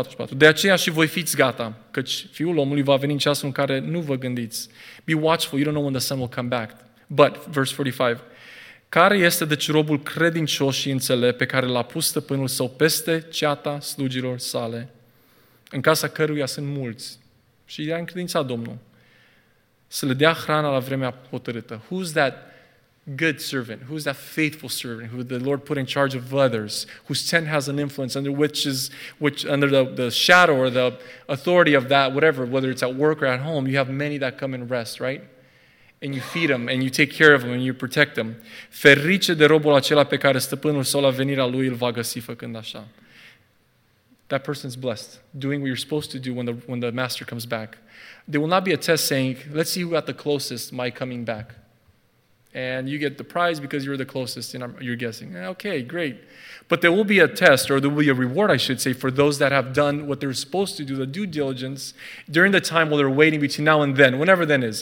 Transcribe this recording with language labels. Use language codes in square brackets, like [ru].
[ro] De aceea și voi fiți gata, căci Fiul omului va veni în ceasul în care nu vă gândiți. [en] Be watchful, you don't know when the Son will come back. But, verse 45. [ro] Care este deci robul credincios și înțelept pe care l-a pus stăpânul său peste ceata slugilor sale, în casa căruia sunt mulți, și i-a încredințat Domnul, să le dea hrana la vremea hotărâtă. [en] Who's that good servant? Who's that faithful servant who the Lord put in charge of others, whose tent has an influence under which is which under the shadow or the authority of that, whatever, whether it's at work or at home, you have many that come and rest, right? And you feed them, and you take care of them, and you protect them. [ro] Ferice de robul acela pe care stăpânul său la venirea lui îl va găsi făcând așa. [en] That person's blessed, doing what you're supposed to do when the master comes back. There will not be a test saying, let's see who got the closest my coming back. And you get the prize because you're the closest, and you're guessing. Okay, great. But there will be a test, or there will be a reward, I should say, for those that have done what they're supposed to do, the due diligence, during the time while they're waiting between now and then, whenever then is.